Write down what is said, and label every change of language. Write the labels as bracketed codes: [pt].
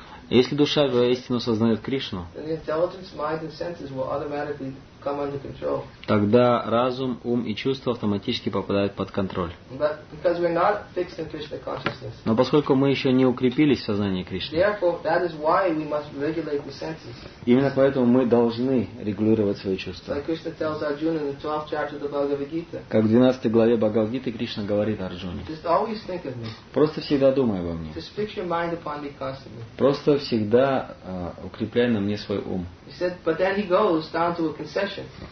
[ru] если душа воистину сознает Кришну, [en] then the intelligence, mind, and senses will automatically come under control. [ru] Тогда разум, ум и чувства автоматически попадают под контроль. [en] But because we're not fixed in Krishna consciousness, [ru] но поскольку мы еще не укрепились в сознании Кришны, [en] therefore that is why we must regulate the senses. [ru] Именно поэтому мы должны регулировать свои чувства. [en] Like Krishna tells Arjuna in the 12th chapter of the Bhagavad Gita. [ru] Как в 12 главе Бхагавад Гиты Кришна говорит Арджуне. [en] Just always think of me. [ru] Просто всегда думай обо мне. [en] Just fix your mind upon me constantly. [ru] Просто всегда укрепляй на мне свой ум. [en] He said, but then he goes down to a concession.